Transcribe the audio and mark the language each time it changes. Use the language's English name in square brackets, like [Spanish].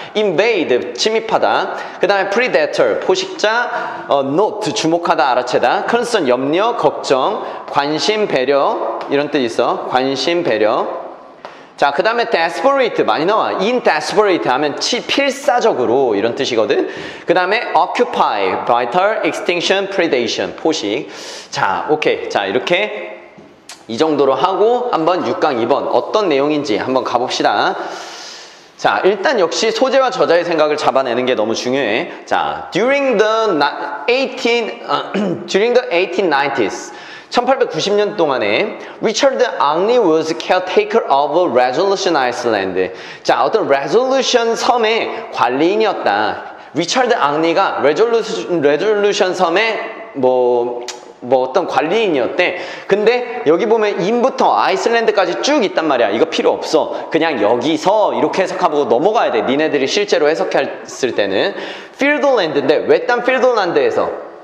[Korean] invade 침입하다, 그 다음에 predator 포식자, note 주목하다, 알아채다, concern 염려, 걱정, 관심, 배려 이런 뜻 있어. 관심, 배려. 자, 그 다음에 desperate 많이 나와. in desperate 하면 필사적으로 이런 뜻이거든. [English] 그 다음에 occupy, vital, extinction, predation, 포식. [Korean] 자, 오케이. 자, 이렇게 이 정도로 하고 한번 6강 2번 어떤 내용인지 한번 가봅시다. 자, 일단 역시 소재와 저자의 생각을 잡아내는 게 너무 중요해. [English] 자, during the 1890s [Korean] 1890년 동안에 [English] 리처드 앙리 was caretaker of a Resolution Island. [Korean] 자, 어떤 Resolution 섬의 관리인이었다. 리처드 앙리가 Resolution 섬의 뭐 어떤 관리인이었대. 근데 여기 보면 인부터 아이슬란드까지 쭉 있단 말이야. 이거 필요 없어. 그냥 여기서 이렇게 해석하고 넘어가야 돼. 니네들이 실제로 해석했을 때는 필드랜드인데, 외딴 필드랜드에서.